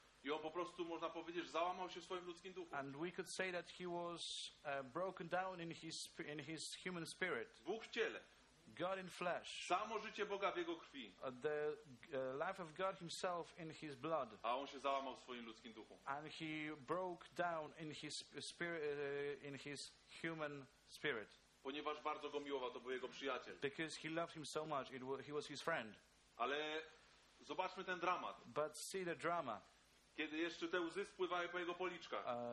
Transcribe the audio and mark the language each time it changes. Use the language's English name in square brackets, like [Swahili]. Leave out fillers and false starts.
[Polish] I on po prostu, można powiedzieć, załamał się w swoim ludzkim duchu. [English] And we could say that he was broken down in his human spirit. [Polish] Bóg w ciele. [English] God in flesh. [Polish] Samo życie Boga w jego krwi. [English] The life of God himself in his blood. [Polish] A on się załamał w swoim ludzkim duchu. [English] And he broke down in his spirit, in his human spirit. [Polish] Ponieważ bardzo go miłował, to był jego przyjaciel. [English] Because he loved him so much, it was, he was his friend. [Polish] Ale zobaczmy ten dramat. [English] But see the drama. [Polish] Kiedy jeszcze te łzy spływały po jego policzkach.